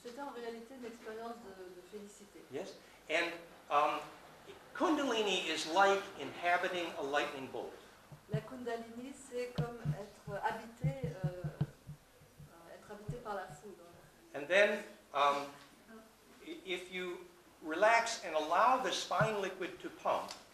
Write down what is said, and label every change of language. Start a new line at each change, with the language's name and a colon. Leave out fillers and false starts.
French: C'était en réalité une expérience de félicité.
English: Yes, and Kundalini. Kundalini is like inhabiting a lightning bolt.
French: La Kundalini, c'est comme être habité, être habité par la foudre.
English: And then, if you relax and allow the spine liquid to pump,